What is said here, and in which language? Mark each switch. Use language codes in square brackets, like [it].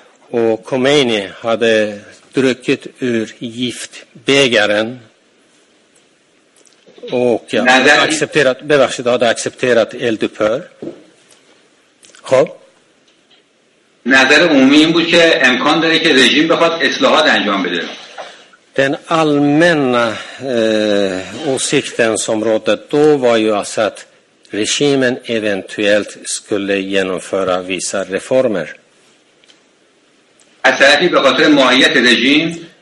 [sv] Och Khomeini hade druckit ur giftbägaren. Och hade accepterat eldupphör. خب [fa] نظر عمومی این بود که امکان داره که رژیم بخواد اصلاحات انجام بده. [sv] Den allmänna åsikten som rådde då var ju att regimen eventuellt skulle genomföra vissa reformer. [fa] از طرفی به خاطر ماهیت رژیم.